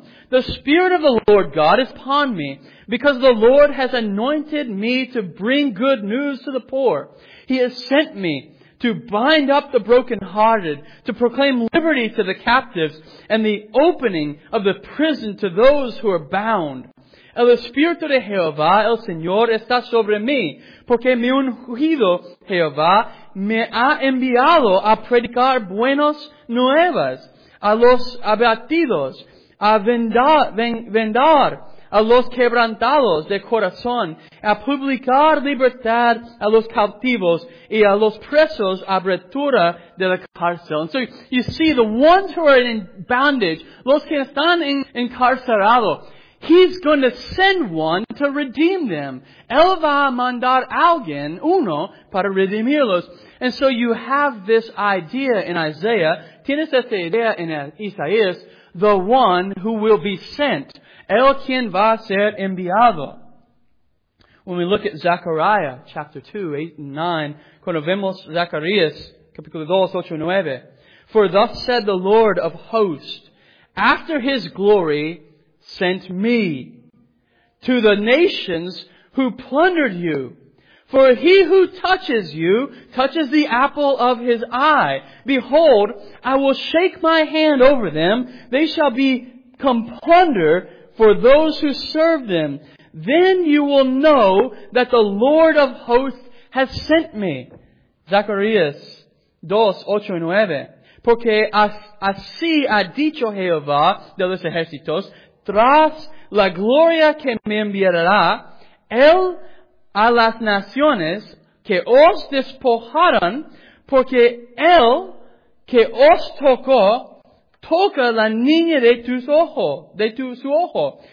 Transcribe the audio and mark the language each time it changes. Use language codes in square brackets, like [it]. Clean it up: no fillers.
[en] The Spirit of the Lord God is upon me, because the Lord has anointed me to bring good news to the poor. He has sent me to bind up the brokenhearted, to proclaim liberty to the captives, and the opening of the prison to those who are bound. [es] El Espíritu de Jehová, el Señor, está sobre mí, porque mi ungido Jehová me ha enviado a predicar buenas nuevas a los abatidos, a vendar a los quebrantados de corazón, a publicar libertad a los cautivos y a los presos abertura de la cárcel. [en] And so you see, the ones who are in bondage, [es] los que están encarcelados, [en] He's going to send one to redeem them. [es] Él va a mandar alguien, uno, para redimirlos. [en] And so you have this idea in Isaiah. [es] Tienes esta idea en Isaías, [en] the one who will be sent. [es] El quien va a ser enviado. [en] When we look at Zechariah chapter 2, 8 and 9, [es] cuando vemos Zacharias, capítulo 2, 8 y 9, [en] for thus said the Lord of hosts, after his glory sent me to the nations who plundered you. For he who touches you touches the apple of his eye. Behold, I will shake my hand over them. They shall be come plunder for those who serve them. Then you will know that the Lord of hosts has sent me. [es] Zacharias 2, 8 y 9. Porque así ha dicho Jehová de los ejércitos, tras la gloria que me enviará, él a las naciones que os despojaron, porque él que os tocó, toca la niña de tu ojo.